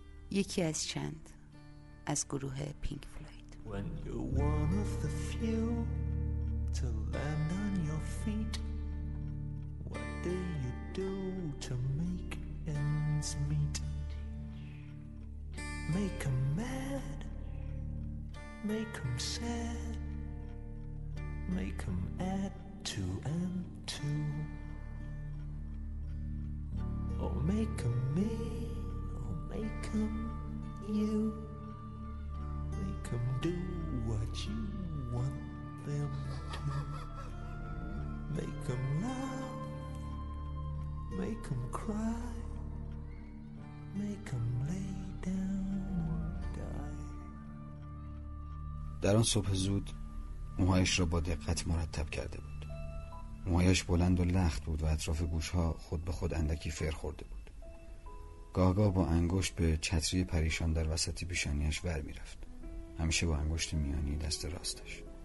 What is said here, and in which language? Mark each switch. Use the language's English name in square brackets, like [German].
[Persian] یکی از چند، از گروه پینک فلوید. [English] When you're one of the few to land on your feet, what do you do to make ends meet? Make 'em mad, make 'em sad, make 'em add two and two, or make 'em me, or make 'em you, make 'em do what you want them to, make 'em laugh, make 'em cry, make 'em lay down and die. [Persian] در آن صبح زود موهایش را با دقت مرتب کرده بود. موهایش بلند و لخت بود و اطراف گوشها خود به خود اندکی فر خورده بود. گاگاه با انگشت به چتری پریشان در وسط پیشانیش ور می رفت، همیشه با انگشت میانی دست راستش.